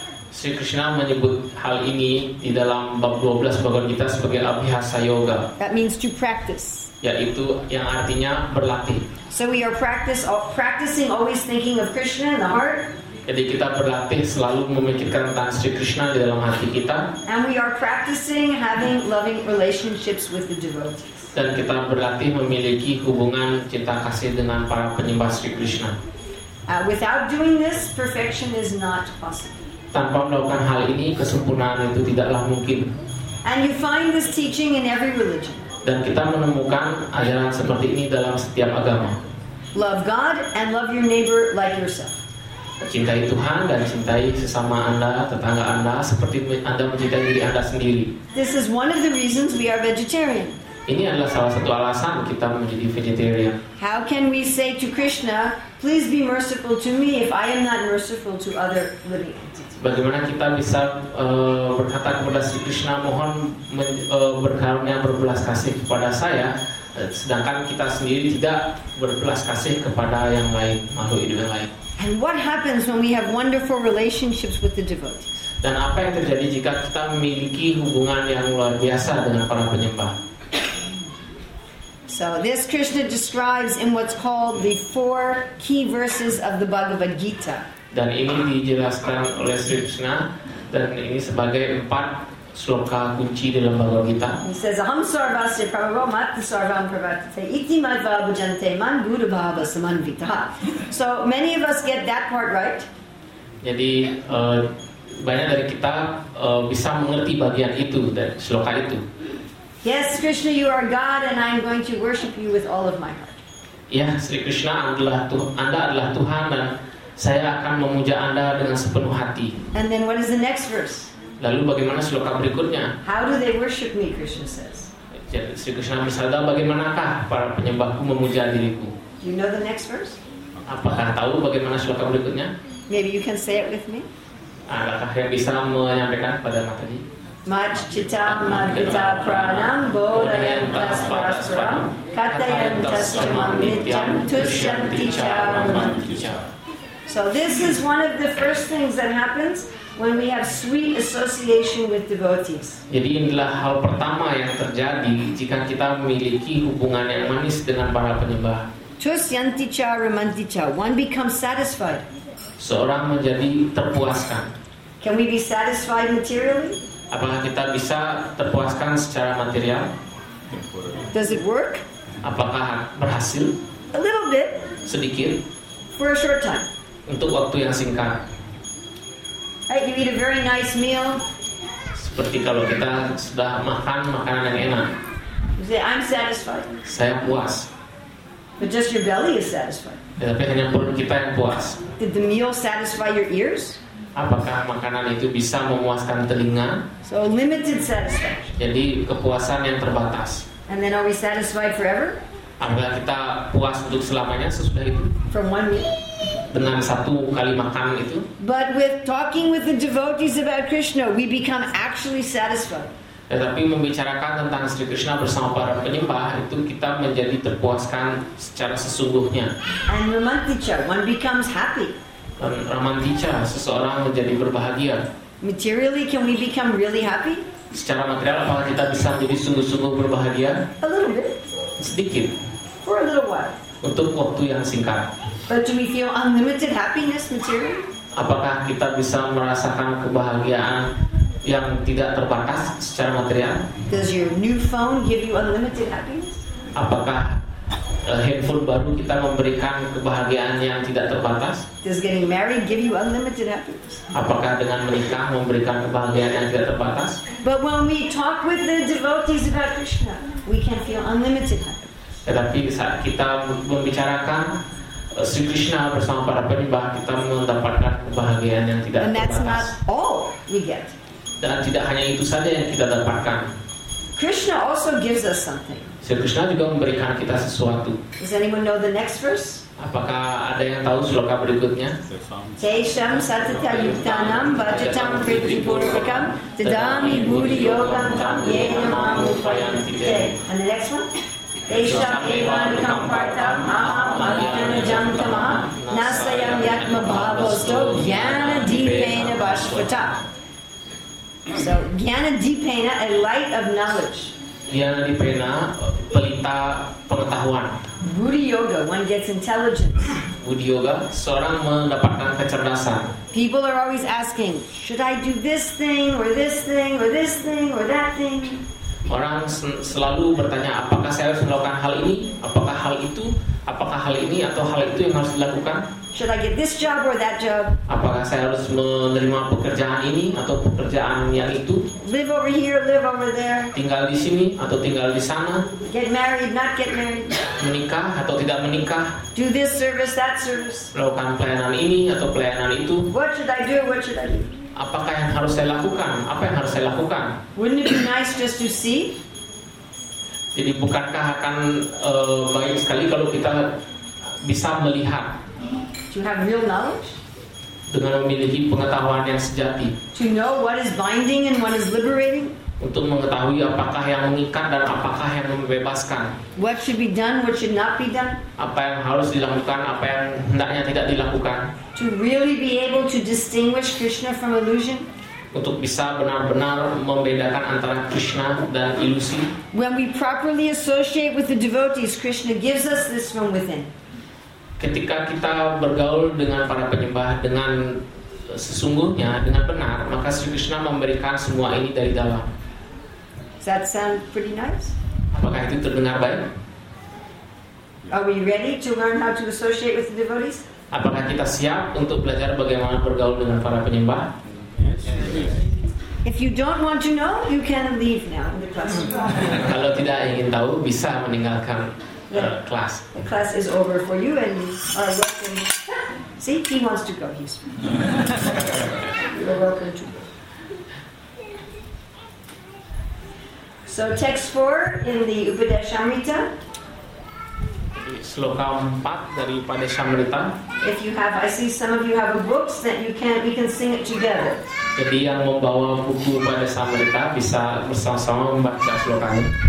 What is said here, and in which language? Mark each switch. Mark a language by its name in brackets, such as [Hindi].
[Indonesian] Sri Krishna menyebut hal ini di dalam bab 12 Bhagavad Gita sebagai abhyasa yoga. [English] That means to practice. [Indonesian] Yaitu yang artinya berlatih. [English] So we are practicing always thinking of Krishna in the heart. [Indonesian] Jadi kita berlatih selalu memikirkan tentang Sri Krishna di dalam hati kita. [English] And we are practicing having loving relationships with the devotees. [Indonesian] Dan kita berlatih memiliki hubungan cinta kasih dengan para penyembah Sri Krishna. [English] Without doing this, perfection is not possible. [Indonesian] Tanpa melakukan hal ini, kesempurnaan itu tidaklah mungkin. [English] And you find this teaching in every religion. [Indonesian] Dan kita menemukan ajaran seperti ini dalam setiap agama. [English] Love God and love your neighbor like yourself. [Indonesian] Cintai Tuhan dan cintai sesama Anda, tetangga Anda seperti Anda mencintai diri Anda sendiri. [English] This is one of the reasons we are vegetarian. [Indonesian] Ini adalah salah satu alasan kita menjadi vegetarian. [English] How can we say to Krishna, please be merciful to me if I am not merciful to other living entities? [Indonesian] Bagaimana kita bisa berkata kepada Sri Krishna, mohon berkarunia berbelas kasih kepada saya, sedangkan kita sendiri tidak berbelas kasih kepada yang lain, makhluk hidup yang lain. [English] And what happens when we have wonderful relationships with the devotees? [Indonesian] Dan apa yang terjadi jika kita memiliki hubungan yang luar biasa dengan para penyembah? [English] So this Krishna describes in what's called the four key verses of the Bhagavad Gita. [Indonesian] Dan ini dijelaskan oleh Sri Krishna dan ini sebagai empat sloka kunci dalam Bhagavad Gita. [English] He says, [Sanskrit] "Aham sarvasya prabhavamat sarvam prabhavate iti madva bhujante man guru bhava samanvita." [English] So many of us get that part right. [Indonesian] Jadi banyak dari kita bisa mengerti bagian itu dari sloka itu. [English] Yes, Krishna, you are God, and I'm going to worship you with all of my heart. [Indonesian] Ya, Sri Krishna, Anda adalah Tuhan dan saya akan memuja Anda dengan sepenuh hati. [English] And then what is the next verse? [Indonesian] Lalu bagaimana sloka berikutnya? [English] How do they worship me, Krishna says. [Indonesian] Jadi Sri Krishna bersabda, bagaimanakah para penyembahku memuja diriku? [English] Do you know the next verse? [Indonesian] Apakah tahu bagaimana sloka berikutnya? [English] Maybe you can say it with me. [Indonesian] Adakah yang bisa menyampaikan pada materi? [Sanskrit] Mach chita mahita pranam bodhayam tasparasram katayam tasramam nityam tushyam ticharam mantucham. [English] So this is one of the first things that happens when we have sweet association with devotees. [Indonesian] Jadi inilah hal pertama yang terjadi jika kita memiliki hubungan yang manis dengan para penyembah. [Sanskrit] Tushyam ticharam mantucham. [English] One becomes satisfied. [Indonesian] Seorang menjadi terpuaskan. [English] Can we be satisfied materially? [Indonesian] Apakah kita bisa terpuaskan secara material? [English] Does it work? [Indonesian] Apakah berhasil? [English] A little bit. [Indonesian] Sedikit. [English] For a short time. [Indonesian] Untuk waktu yang singkat. [English] Right, you eat a very nice meal. [Indonesian] Seperti kalau kita sudah makan makanan yang enak. [English] You say, I'm satisfied. [Indonesian] Saya puas. [English] But just your belly is satisfied. [Indonesian] Ya, tapi hanya perut kita yang puas. [English] Did the meal satisfy your ears? [Indonesian] Apakah makanan itu bisa memuaskan telinga? [English] So limited satisfaction. [Indonesian] Jadi kepuasan yang terbatas. [English] And then are we satisfied forever? [Indonesian] Apakah kita puas untuk selamanya sesudah itu? [English] From one meal. [Indonesian] Dengan satu kali makan itu? [English] But with talking with the devotees about Krishna, we become actually satisfied. [Indonesian] Tetapi membicarakan tentang Sri Krishna bersama para penyembah itu kita menjadi terpuaskan secara sesungguhnya. [English] And ramanticha, one becomes happy. [Indonesian] Ramanticha, seseorang menjadi berbahagia. [English] Materially, can we become really happy? [Indonesian] Secara material, apakah kita bisa jadi sungguh-sungguh berbahagia? [English] A little bit. [Indonesian] Sedikit. [English] For a little while. [Indonesian] Untuk waktu yang singkat. [English] But do we feel unlimited happiness material? [Indonesian] Apakah kita bisa merasakan kebahagiaan yang tidak terbatas secara material? [English] Does your new phone give you unlimited happiness? [Indonesian] Apakah handphone baru kita memberikan kebahagiaan yang tidak terbatas? [English] Does getting married give you unlimited happiness? [Indonesian] Apakah dengan menikah memberikan kebahagiaan yang tidak terbatas? [English] But when we talk with the devotees about Krishna, we can feel unlimited happiness. [Indonesian] Tetapi saat kita membicarakan Sri Krishna bersama para penyembah, kita mendapatkan kebahagiaan yang tidak [English] and [Indonesian] terbatas. [English] And that's not all we get. [Indonesian] Dan tidak hanya itu saja yang kita dapatkan. [English] Krishna also gives us something. [Indonesian] Sri Krishna juga memberikan kita sesuatu. [English] Does anyone know the next verse? [Indonesian] Apakah ada yang tahu sloka berikutnya? [Sanskrit] Tesham satita yuktanam vajitam pritipurvikam tadami buddhi yogam tam yenam amupayanti te. [English] And the next one? [Sanskrit] Tesham evan kampartam aham adhyana jantama nasayam yatma bhavosto jnana dipena bhashvata. [English] So, jnana dipena, a light of knowledge. [Indonesian] Jnana dipena, pelita pengetahuan. [English] Buddhi yoga, one gets intelligence. [Indonesian] Buddhi yoga, seorang mendapatkan kecerdasan. [English] People are always asking, should I do this thing, or this thing, or this thing, or that thing? [Indonesian] Orang selalu bertanya, apakah saya harus melakukan hal ini, apakah hal itu, apakah hal ini, atau hal itu yang harus dilakukan? [English] Should I get this job or that job? [Indonesian] Apakah saya harus menerima pekerjaan ini atau pekerjaan yang itu? [English] Live over here, live over there. [Indonesian] Tinggal di sini atau tinggal di sana? [English] Get married, not get married. [Indonesian] Menikah atau tidak menikah? [English] Do this service, that service. [Indonesian] Lakukan pelayanan ini atau pelayanan itu? [English] What should I do? What should I do? [Indonesian] Apakah yang harus saya lakukan? Apa yang harus saya lakukan? [English] Wouldn't it be nice just to see? [Indonesian] Jadi bukankah akan baik sekali kalau kita bisa melihat? [English] To have real knowledge. [Indonesian] Dengan memiliki pengetahuan yang sejati. [English] To know what is binding and what is liberating. [Indonesian] Untuk mengetahui apakah yang mengikat dan apakah yang membebaskan. [English] What should be done, what should not be done. [Indonesian] Apa yang harus dilakukan, apa yang hendaknya tidak dilakukan. [English] To really be able to distinguish Krishna from illusion. [Indonesian] Untuk bisa benar-benar membedakan antara Krishna dan ilusi. [English] When we properly associate with the devotees, Krishna gives us this from within. [Indonesian] Ketika kita bergaul dengan para penyembah dengan sesungguhnya, dengan benar, maka Sri Krishna memberikan semua ini dari dalam. [English] Does that sound pretty nice? [Indonesian] Apakah itu terdengar baik? [English] Are we ready to learn how to associate with the devotees? [Indonesian] Apakah kita siap untuk belajar bagaimana bergaul dengan para penyembah? [English] Yes. If you don't want to know, you can leave now in the classroom. [Indonesian] Kalau tidak ingin tahu, bisa meninggalkan kelas. [English] The class is over for you and you are welcome. See, he wants to go. He's you're welcome to go. So text 4 in the Upadeshamrita. [Indonesian] Sloka 4 dari Upadeshamrita. [English] If you have, I see some of you have a books that you can, we can sing it together. [Indonesian] Jadi yang membawa buku Upadeshamrita bisa bersama-sama membaca slokanya.